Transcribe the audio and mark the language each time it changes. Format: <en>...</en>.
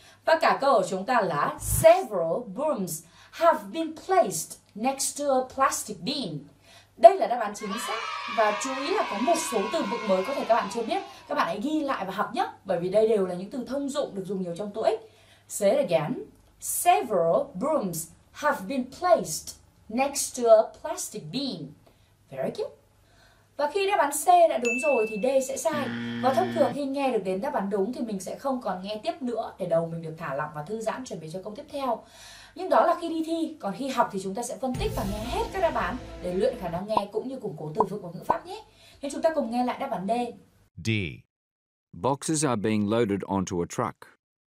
<vi>Và cả câu của chúng ta là</vi> <en>several brooms have been placed next to a plastic bin.</en> <vi>Đây là đáp án chính xác. Và chú ý là có một số từ vựng mới có thể các bạn chưa biết. Các bạn hãy ghi lại và học nhé. Bởi vì đây đều là những từ thông dụng được dùng nhiều trong TOEIC.</vi> <en>Say it again. Several brooms have been placed next to a plastic bin. Very good.</en> <vi>Và khi đáp án C đã đúng rồi thì D sẽ sai. Và thông thường khi nghe được đến đáp án đúng thì mình sẽ không còn nghe tiếp nữa để đầu mình được thả lỏng và thư giãn chuẩn bị cho câu tiếp theo. Nhưng đó là khi đi thi, còn khi học thì chúng ta sẽ phân tích và nghe hết các đáp án để luyện khả năng nghe cũng như củng cố từ vựng của ngữ pháp nhé. Nên chúng ta cùng nghe lại đáp án D. D.</vi> <en>Boxes are being loaded onto a truck.</en>